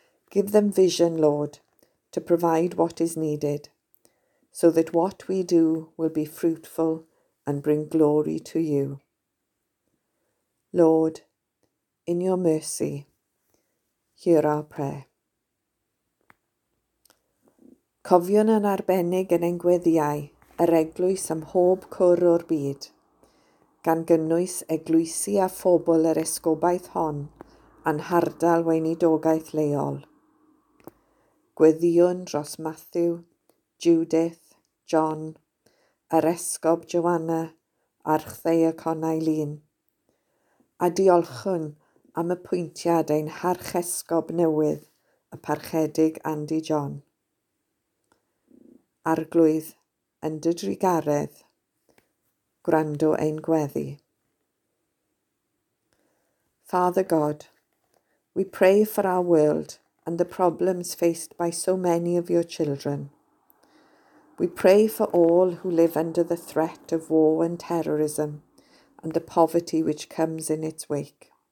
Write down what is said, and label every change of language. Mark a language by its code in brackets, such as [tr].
[en] Give them vision, Lord, to provide what is needed, so that what we do will be fruitful and bring glory to you. Lord, in your mercy, hear our prayer. [cy] Cofion yn arbennig yn ein gweddiau yr eglwys ym mhob cwr o'r byd, gan gynnwys eglwysi a phobl yr esgobaeth hon a'n hardal weinidogaeth leol. Gweddion dros Matthew, Judith, John, yr esgob Joanna a'r chdeaconau Lun. A diolchwn am y pwyntiad ein harch esgob newydd, y parchedig Andy John. Arglwydd yn dy drigaredd, gwrando ein gweddi. [en] Father God, we pray for our world and the problems faced by so many of your children. We pray for all who live under the threat of war and terrorism and the poverty which comes in its wake.